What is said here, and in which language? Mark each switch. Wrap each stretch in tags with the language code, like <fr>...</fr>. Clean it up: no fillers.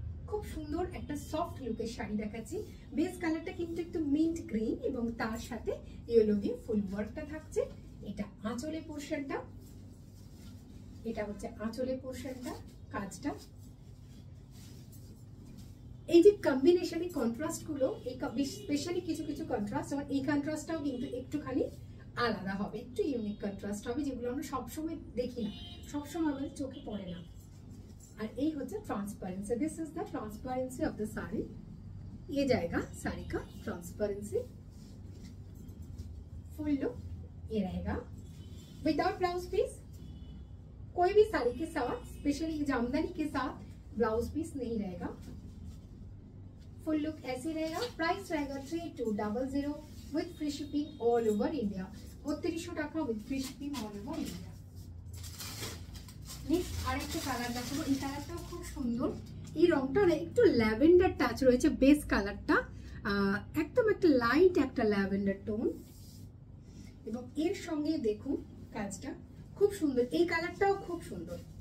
<bn>খুব সুন্দর একটা সফট লুকের শাড়ি দেখাচ্ছি বেস কালারটা কিন্তু একটু মিন্ট গ্রিন এবং তার সাথে ইয়েলো দিয়ে ফুল ওয়ার্কটা থাকছে এটা আঁচলে পোর্শনটা এটা হচ্ছে আঁচলে পোর্শনটা কাজটা এই যে কম্বিনেশন এই কন্ট্রাস্ট গুলো স্পেশালি কিছু কিছু কন্ট্রাস্ট আর এই কন্ট্রাস্টটাও কিন্তু একটুখানি আলাদা হবে, একটু ইউনিক কন্ট্রাস্ট হবে, যেগুলো আমরা সবসময় দেখি না, সবসময় আমাদের চোখে পড়ে না। আর এই হচ্ছে transparency,</bn> <en>This is the transparency of the sari.</en> <hi>ये जाएगा साड़ी का ट्रांसपेरेंसी, फुल लुक ये रहेगा</hi> <en>Without blouse piece.</en> <hi>कोई भी साड़ी के साथ, स्पेशली जामदानी के साथ ब्लाउज पीस नहीं रहेगा, फुल लुक ऐसे रहेगा। प्राइस रहेगा</hi> <en>3200 with free shipping all over India, 3300 with free shipping all over India.</en> <bn>Next আরেকটা কালার দেখাবো, এই কালারটাও খুব সুন্দর। এই রংটা একটু ল্যাভেন্ডার টাচ রয়েছে বেস কালারটা, একদম একটা লাইট একটা ল্যাভেন্ডার টোন। এবং এর সঙ্গে দেখুন কাজটা খুব সুন্দর, এই কালারটাও খুব সুন্দর।</bn>